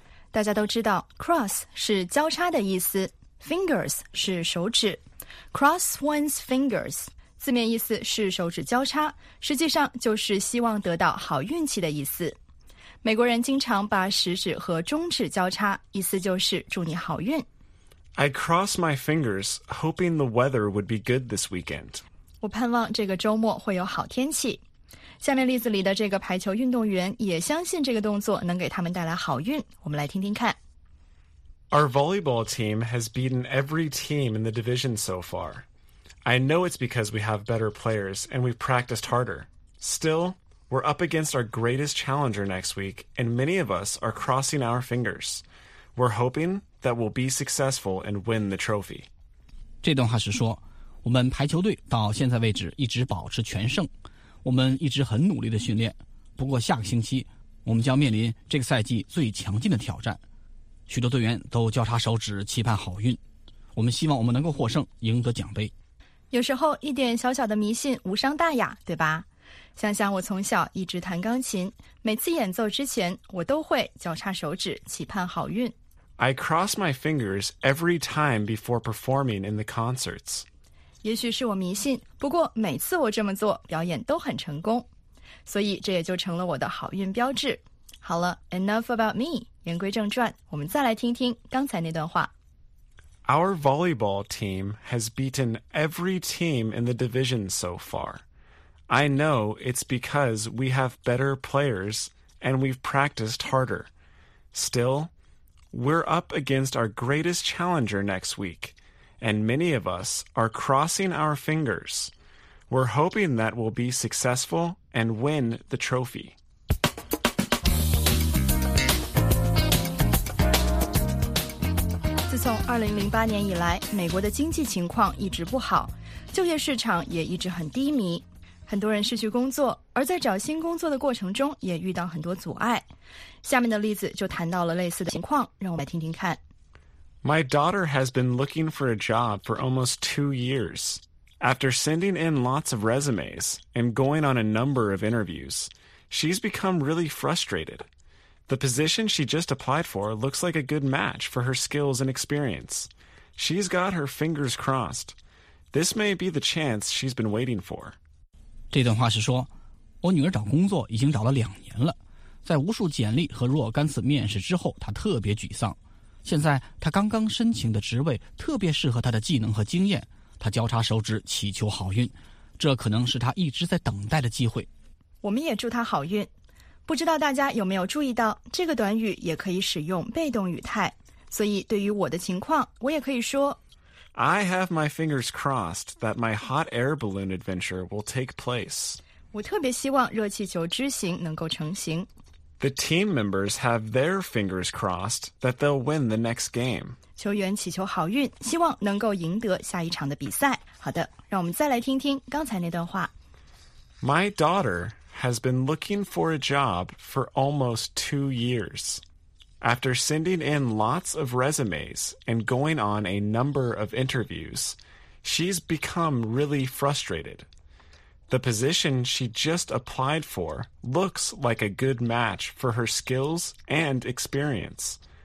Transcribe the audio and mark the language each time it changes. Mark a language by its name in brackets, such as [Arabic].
[Chinese] 大家都知道 cross 是交叉的意思， fingers 是手指。 Cross one's fingers 字面意思是手指交叉，实际上就是希望得到好运气的意思。美国人经常把食指和中指交叉，意思就是祝你好运。 [English] I cross my fingers, hoping the weather would be good this weekend. [Chinese] 我盼望这个周末会有好天气。下面例子里的这个排球运动员也相信这个动作能给他们带来好运，我们来听听看。 [English] Our volleyball team has beaten every team in the division so far. I know it's because we have better players and we've practiced harder. Still... We're up against our greatest challenger next week, and many of us are crossing our fingers. We're hoping that we'll be successful and win the trophy. [Chinese] 这段话是说，我们排球队到现在为止一直保持全胜，我们一直很努力的训练。不过下个星期，我们将面临这个赛季最强劲的挑战。许多队员都交叉手指期盼好运，我们希望我们能够获胜，赢得奖杯。有时候一点小小的迷信无伤大雅，对吧？想想我从小一直弹钢琴，每次演奏之前我都会交叉手指期盼好运。 [English] I cross my fingers every time before performing in the concerts. [Chinese] 也许是我迷信，不过每次我这么做表演都很成功，所以这也就成了我的好运标志。好了 [English] ，enough about me. [Chinese] 言归正传，我们再来听听刚才那段话。 [English] Our volleyball team has beaten every team in the division so far. I know it's because we have better players and we've practiced harder. Still, we're up against our greatest challenger next week, and many of us are crossing our fingers. We're hoping that we'll be successful and win the trophy. [Chinese] 自从2008年以来，美国的经济情况一直不好，就业市场也一直很低迷，很多人失去工作，而在找新工作的过程中也遇到很多阻碍。下面的例子就谈到了类似的情况，让我们来听听看。 [English] My daughter has been looking for a job for almost 2 years. After sending in lots of resumes and going on a number of interviews, she's become really frustrated. The position she just applied for looks like a good match for her skills and experience. She's got her fingers crossed. This may be the chance she's been waiting for. [Chinese] 这段话是说，我女儿找工作已经找了2年了，在无数简历和若干次面试之后，她特别沮丧。现在她刚刚申请的职位特别适合她的技能和经验，她交叉手指祈求好运，这可能是她一直在等待的机会。我们也祝她好运。不知道大家有没有注意到，这个短语也可以使用被动语态。所以对于我的情况，我也可以说 [English] I have my fingers crossed that my hot air balloon adventure will take place. [Chinese] 我特别希望热气球之行能够成行。 [English] The team members have their fingers crossed that they'll win the next game. [Chinese] 球员祈求好运，希望能够赢得下一场的比赛。好的，让我们再来听听刚才那段话。 [English] My daughter... has been looking for a job for almost 2 years. After sending in lots of resumes and going on a number of interviews, she's become really frustrated. The position she just applied for looks like a good match for her skills and experience.